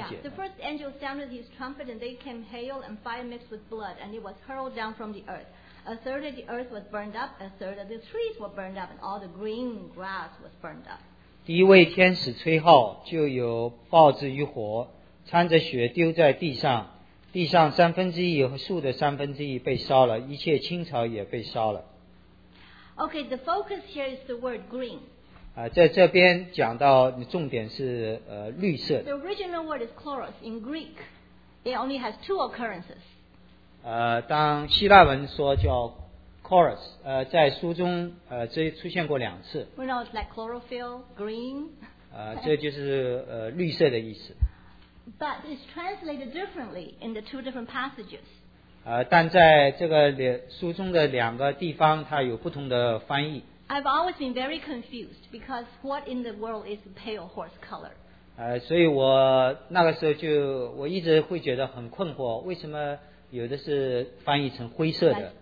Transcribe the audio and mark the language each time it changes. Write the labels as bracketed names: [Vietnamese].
[English] Yeah, the first angel sounded his trumpet, and they came hail and fire mixed with blood, and it was hurled down from the earth. A third of the earth was burned up, a third of the trees were burned up, and all the green grass was burned up. [Chinese] 第一位天使吹号，就有豹子与火。掺着血丢在地上，地上三分之一和树的三分之一被烧了，一切青草也被烧了。 [English] Okay, the focus here is the word green. [Chinese] 在这边讲到重点是绿色。 [English] The original word is chloros in Greek. It only has two occurrences. [Chinese] 当希腊文说叫 chloros， 在书中这出现过两次。 [English] We know it's like chlorophyll, green. [Chinese] 这就是绿色的意思。 [English] But it's translated differently in the two different passages. [Chinese] 但在这个书中的两个地方，它有不同的翻译。 [English] I've always been very confused because what in the world is pale horse color? [Chinese] 所以我那个时候就我一直会觉得很困惑，为什么有的是翻译成灰色的？